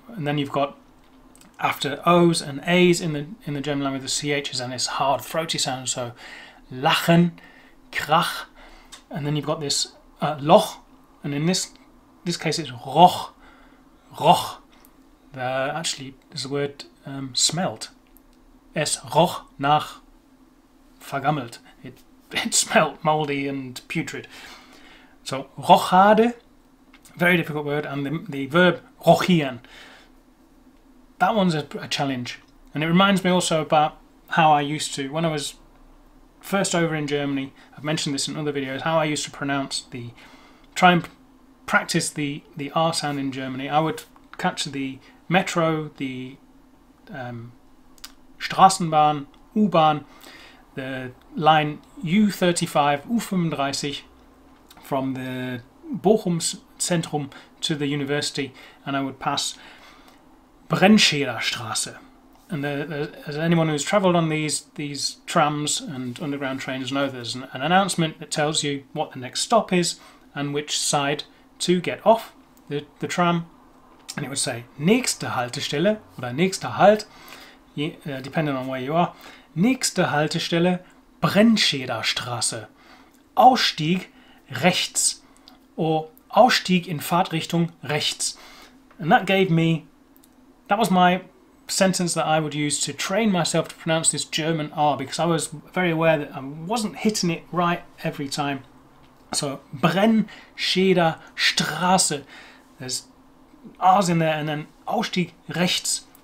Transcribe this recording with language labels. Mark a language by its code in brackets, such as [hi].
[en] And then you've got, after O's and A's in the German language, the CH's and this hard, throaty sound. So Lachen, Krach, and then you've got this Loch, and in this case it's Roch, Roch. There's a word smelt. [de] Es roch nach vergammelt. [en] It smelt moldy and putrid. So, rochade, very difficult word, and the verb rochieren. That one's a challenge. And it reminds me also about how I used to, when I was first over in Germany, I've mentioned this in other videos, how I used to pronounce the, try and practice the R sound in Germany. I would catch the metro, the Straßenbahn, U-Bahn, the line U35, U35, from the Bochum Zentrum to the university, and I would pass Brennschederstraße. And as anyone who's travelled on these trams and underground trains know, there's an announcement that tells you what the next stop is and which side to get off the tram. And it would say, [de] nächste Haltestelle, [en] or [de] nächster Halt, [en] depending on where you are, [de] nächste Haltestelle, Brennschederstraße, Ausstieg rechts, [en] or [de] Ausstieg in Fahrtrichtung rechts. [en] And that gave me, that was my sentence that I would use to train myself to pronounce this German R, because I was very aware that I wasn't hitting it right every time. So, Brennschederstraße, there's R's in there, and then [de] Ausstieg rechts.